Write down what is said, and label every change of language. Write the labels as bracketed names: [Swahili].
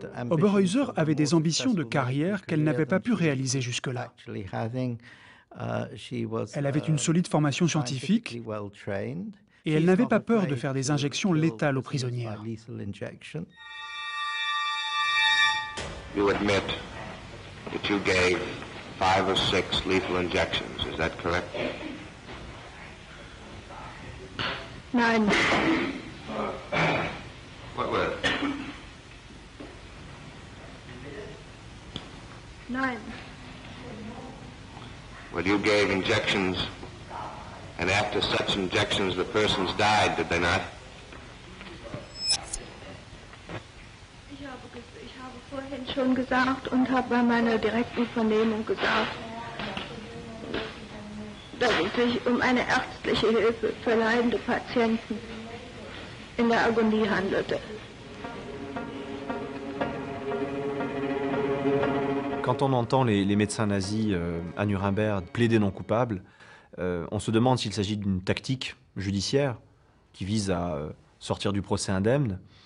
[French] Oberhäuser avait des ambitions de carrière qu'elle n'avait pas pu réaliser jusque-là. Elle avait une solide formation scientifique et elle n'avait pas peur de faire des injections létales aux prisonnières. [English] You admit that you gave 5 or 6 lethal injections, is that correct? None. What were? None. Well, you gave injections, and after such injections, the persons died, did they not? [French] Quand on entend les médecins nazis à Nuremberg plaider non coupable, on se demande s'il s'agit d'une tactique judiciaire qui vise à sortir du procès indemne.